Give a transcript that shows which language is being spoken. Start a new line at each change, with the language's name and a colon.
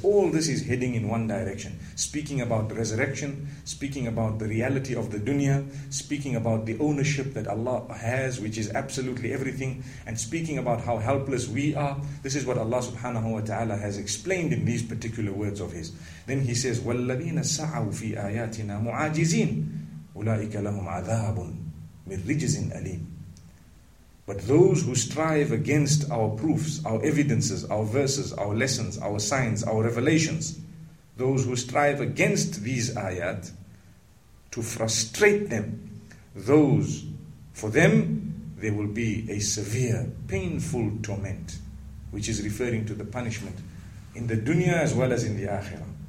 English: All this is heading in one direction. Speaking about resurrection, speaking about the reality of the dunya, speaking about the ownership that Allah has, which is absolutely everything, and speaking about how helpless we are. This is what Allah subhanahu wa ta'ala has explained in these particular words of His. Then He says,
Arabic: وَالَّذِينَ سَعَوْا فِي آيَاتِنَا مُعَاجِزِينَ أُولَٰئِكَ لَهُمْ عَذَابٌ مِنْ رِجْزٍ أَلِيمٌ.
English: But those who strive against our proofs, our evidences, our verses, our lessons, our signs, our revelations, those who strive against these ayat to frustrate them, those, for them, there will be a severe, painful torment, which is referring to the punishment in the dunya as well as in the akhirah.